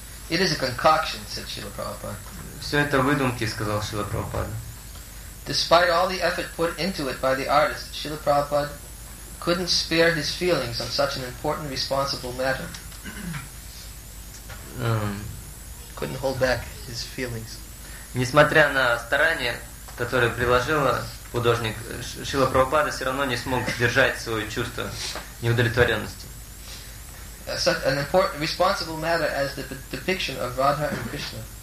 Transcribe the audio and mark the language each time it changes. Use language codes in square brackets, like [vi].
[en] It is a concoction, said Srila Prabhupada. [ru] Все это выдумки, сказал Шрила Прабхупада. [en] Despite all the effort put into it by the artist, Srila Prabhupada couldn't spare his feelings on such an important, responsible matter. Couldn't hold back his feelings. [ru] Несмотря на старания, которые приложил художник, Шрила Прабхупада все равно не смог сдержать свое чувство неудовлетворенности. [en] Such an important, responsible matter as the depiction of Radha and Krishna.